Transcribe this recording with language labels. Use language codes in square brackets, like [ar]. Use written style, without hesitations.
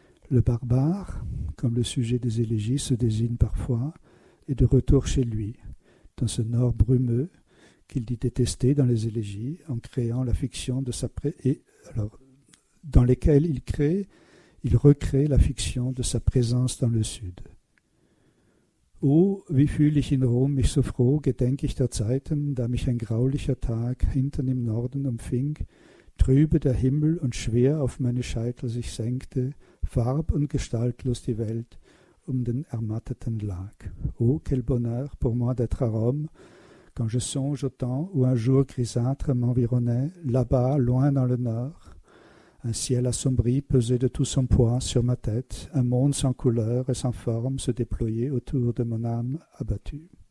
[fr] Le barbare, comme le sujet des élégies se désigne parfois, est de retour chez lui, dans ce nord brumeux qu'il dit détester dans les élégies, en créant la fiction de sa recrée la fiction de sa présence dans le sud. [de] Oh, wie fühle ich in Rom mich so froh, gedenk ich der Zeiten, da mich ein graulicher Tag hinten im Norden umfing, trübe der Himmel und schwer auf meine Scheitel sich senkte, farb- und gestaltlos die Welt um den Ermatteten lag. [fr] Oh, quel bonheur pour moi d'être à Rome, quand je songe au temps où un jour grisâtre m'environnait, là-bas, loin dans le nord, un ciel assombri pesait de tout son poids sur ma tête, un monde sans couleur et sans forme se déployait autour de mon âme abattue.